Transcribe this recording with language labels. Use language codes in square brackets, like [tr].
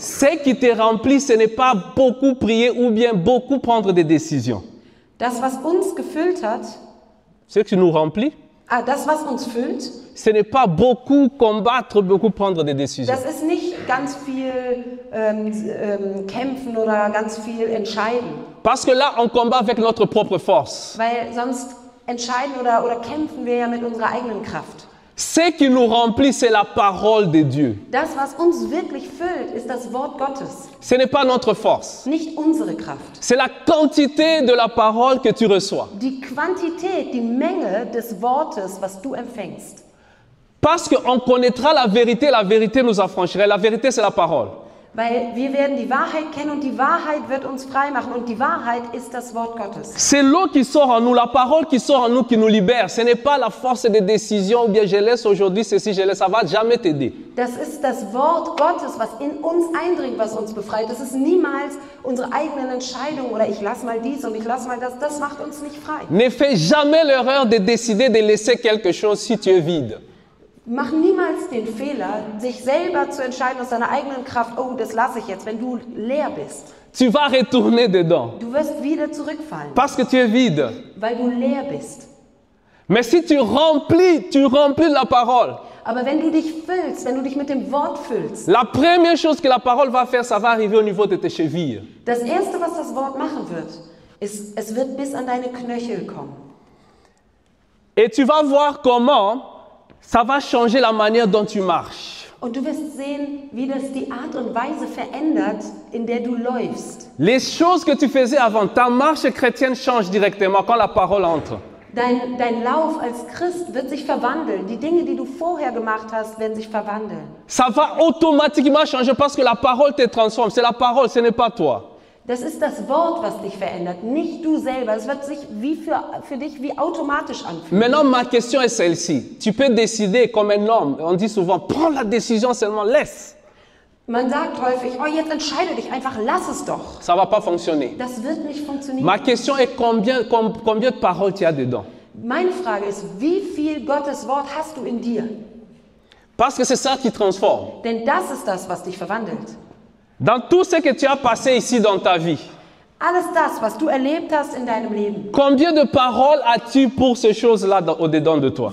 [fr] Ce qui te remplit, ce n'est pas beaucoup prier ou bien beaucoup prendre des décisions. [de] Das, was uns gefüllt hat. [fr] Ce qui nous remplit. [de] Ah, das, was uns füllt. [fr] Ce n'est pas beaucoup combattre, beaucoup prendre des décisions. [de] Das ist nicht ganz viel kämpfen oder ganz viel entscheiden. [fr] Parce que là, on combat avec notre propre force. [de] Weil sonst entscheiden oder kämpfen wir ja mit unserer eigenen Kraft. [fr] Ce qui nous remplit, c'est la parole de Dieu. [de] Das, was uns wirklich füllt, ist das Wort Gottes. [fr] Ce n'est pas notre force. [de] Nicht unsere Kraft. [fr] C'est la quantité de la parole que tu reçois. [de] Die Quantität, die Menge des Wortes, was du empfängst. [fr] Parce qu'on connaîtra la vérité nous affranchira. La vérité, c'est la parole. [de] Weil wir werden die Wahrheit kennen und die Wahrheit wird uns frei machen und die Wahrheit ist das Wort Gottes. [fr] C'est l'eau qui sort en nous, la parole qui sort en nous qui nous libère. Ce n'est pas la force des décisions ou bien je laisse aujourd'hui ceci, je laisse, ça va jamais t'aider. [de] Das ist das Wort Gottes, was in uns eindringt, was uns befreit. Das ist niemals unsere eigenen Entscheidungen oder ich lasse mal dies und ich lasse mal das. Das macht uns nicht frei. [fr] Ne fais jamais l'erreur de décider de laisser quelque chose si tu es vide. [de] Mach niemals den Fehler, sich selber zu entscheiden aus deiner eigenen Kraft, oh, das lasse ich jetzt, wenn du leer bist. [fr] Tu vas retourner dedans. [de] Du wirst wieder zurückfallen. [fr] Parce que tu es vide. [de] Weil du leer bist. [fr] Mais si tu remplis la parole. [de] Aber wenn du dich füllst, wenn du dich mit dem Wort füllst. [fr] La première chose que la parole va faire, ça va arriver au niveau de tes chevilles. [de] Das Erste, was das Wort machen wird, ist, es wird bis an deine Knöchel kommen. [fr] Et tu vas voir comment... Ça va changer la manière dont tu marches. [de] Und du wirst sehen, wie das die Art und Weise verändert, in der du läufst. [fr] Les choses que tu faisais avant, ta marche chrétienne change directement quand la parole entre. [de] Dein Lauf als Christ wird sich verwandeln. Die Dinge, die du vorher gemacht hast, werden sich verwandeln. [fr] Ça va automatiquement changer parce que la parole te transforme. C'est la parole, ce n'est pas toi. [de] Das ist das Wort, was dich verändert, nicht du selber. Es wird sich wie für dich wie automatisch anfühlen. [fr] Maintenant, ma question est celle-ci. Tu peux décider comme un homme. On dit souvent, prends la décision seulement, laisse. [de] Man sagt häufig, oh, jetzt entscheide dich einfach, lass es doch. [fr] Ça va pas fonctionner. [de] Das wird nicht funktionieren. [fr] Ma question est combien de paroles tu as dedans. [de] Meine Frage ist, wie viel Gottes Wort hast du in dir? [fr] Parce que c'est ça qui transforme. [de] Denn das ist das, was dich verwandelt. [fr] Dans tout ce que tu as passé ici dans ta vie. [de] Alles das, was du erlebt hast in deinem Leben. [fr] Combien de paroles as-tu pour ces choses-là au-dedans de toi?